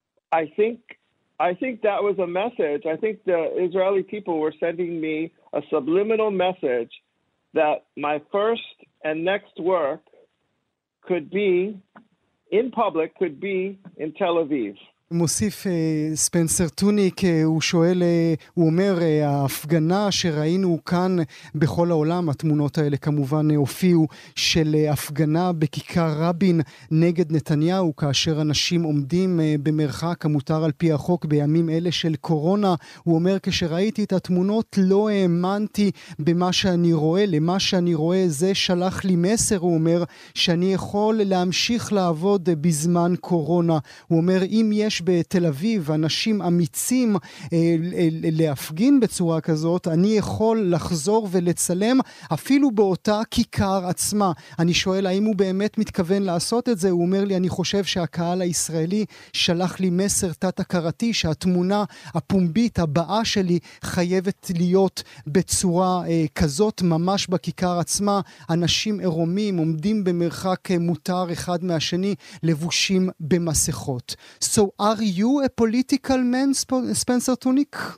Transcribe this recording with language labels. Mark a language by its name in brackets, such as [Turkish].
[English] I think that was a message. I think the Israeli people were sending me a subliminal message that my first and next work could be in public, could be in Tel Aviv. [Hebrew] מוסיף ספנסר טוניק, הוא שואל, הוא אומר, ההפגנה שראינו כאן בכל העולם, התמונות האלה כמובן הופיעו, של הפגנה בכיכר רבין נגד נתניהו, כאשר אנשים עומדים במרחק המותר על פי החוק בימים אלה של קורונה, הוא אומר, כשראיתי את התמונות לא האמנתי במה שאני רואה, למה שאני רואה זה שלח לי מסר, הוא אומר, שאני יכול להמשיך לעבוד בזמן קורונה, הוא אומר, אם יהיה יש בתל אביב אנשים אמיצים להפגין בצורה כזאת, אני יכול לחזור ולצלם אפילו באותה כיכר עצמה. אני שואל האם הוא באמת מתכוון לעשות את זה, הוא אומר לי, אני חושב שהקהל הישראלי שלח לי מסר תת-הכרתי, שהתמונה הפומבית הבאה שלי חייבת להיות בצורה כזאת, ממש בכיכר עצמה, אנשים עירומים עומדים במרחק מותר אחד מהשני, לבושים במסכות. [English] So are you a political man, Spencer Tunick?